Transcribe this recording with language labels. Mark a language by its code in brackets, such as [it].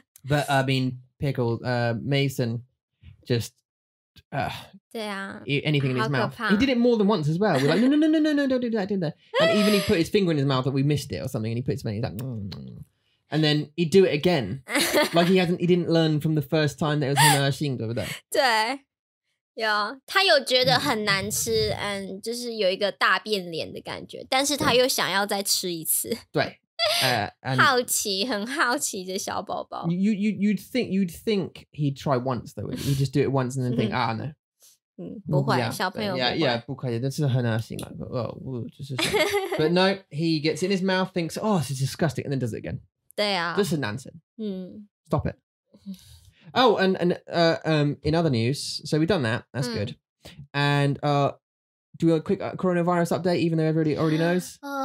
[en] But, I mean, Pickles, Mason... Just, anything in his mouth. He did it more than once as well. We're like, no, don't do that, And even he put his finger in his mouth that we missed it or something, and he put his finger in his mouth, and then he'd do it again. Like he didn't learn from the first time that it was in the machine over there. [zh] 对，有，他有觉得很难吃, and 就是有一个大变脸的感觉，但是他又想要再吃一次。对。好奇，很好奇的小宝宝。 [en] You'd think he'd try once though. He'd just do it once and then think, ah, no. [zh] 不会，小朋友不会。不可以，这是很恶心。 [en] But no, he gets in his mouth, thinks, oh, this is disgusting, and then does it again. [zh] 对啊。这是男生。 [en] Stop it. Oh, and in other news, so we've done that. That's good. And do a quick coronavirus update, even though everybody already knows.